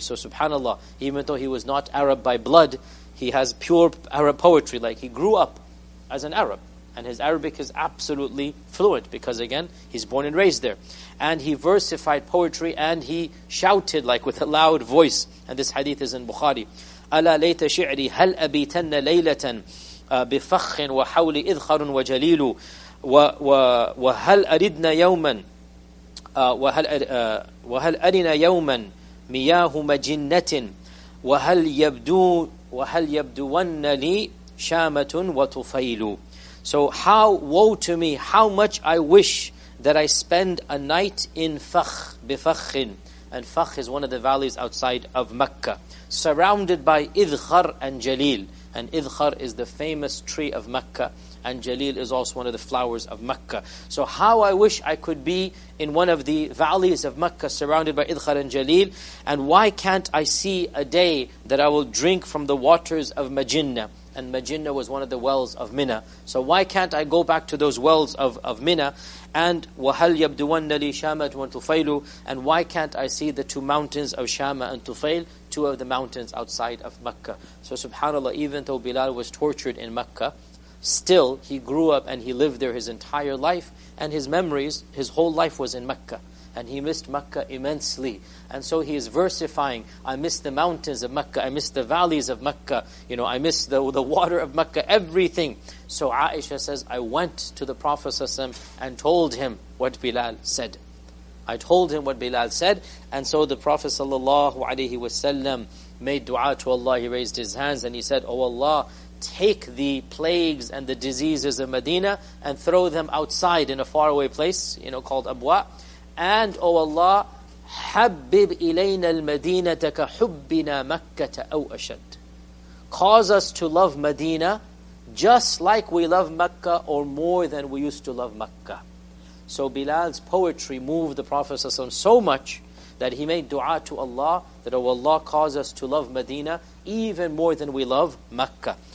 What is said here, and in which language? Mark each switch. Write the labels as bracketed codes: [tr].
[en] So subhanAllah, even though he was not Arab by blood, he has pure Arab poetry. Like, he grew up as an Arab, and his Arabic is absolutely fluent, because again, he's born and raised there. And he versified poetry, and he shouted like with a loud voice. And this hadith is in Bukhari. [ar] أَلَا لَيْتَ شِعْرِي هَلْ أَبِيتَنَّ لَيْلَةً بِفَخٍ وَحَوْلِ إِذْخَرٌ وَجَلِيلُ وَهَلْ أَرِدْنَا يَوْمًا وهل أرنا يوما مياه مجنة وهل يبدون لي شامة وتفيل. [en] So how, woe to me, how much I wish that I spend a night in Fakh, بفخ. And Fakh is one of the valleys outside of Mecca, surrounded by Idhkhar and Jalil. And Idhkhar is the famous tree of Mecca, and Jalil is also one of the flowers of Mecca. So how I wish I could be in one of the valleys of Mecca surrounded by Idhkhar and Jalil. And why can't I see a day that I will drink from the waters of Majinnah? And Majinnah was one of the wells of Mina. So why can't I go back to those wells of Mina? [ar] And وَهَلْ يَبْدُوَنَّ لِي شَامَةُ وَنْتُفَيْلُ. [en] And why can't I see the two mountains of Shama and Tufail, two of the mountains outside of Mecca? So subhanAllah, even though Bilal was tortured in Mecca, still, he grew up and he lived there his entire life, and his memories, his whole life was in Mecca. And he missed Mecca immensely. And so he is versifying, I miss the mountains of Mecca, I miss the valleys of Mecca, you know, I miss the water of Mecca, everything. So Aisha says, I went to the Prophet ﷺ and told him what Bilal said. I told him what Bilal said. And so the Prophet ﷺ made dua to Allah, he raised his hands and he said, O Allah, take the plagues and the diseases of Medina and throw them outside in a faraway place, you know, called Abwa. And, O Allah, [ar] حَبِّبْ إِلَيْنَا الْمَدِينَةَ كَحُبِّنَا مَكَّةَ أَوْ أَشَدْ. [en] Cause us to love Medina just like we love Mecca, or more than we used to love Mecca. So Bilal's poetry moved the Prophet ﷺ so much that he made dua to Allah that, O Allah, cause us to love Medina even more than we love Mecca.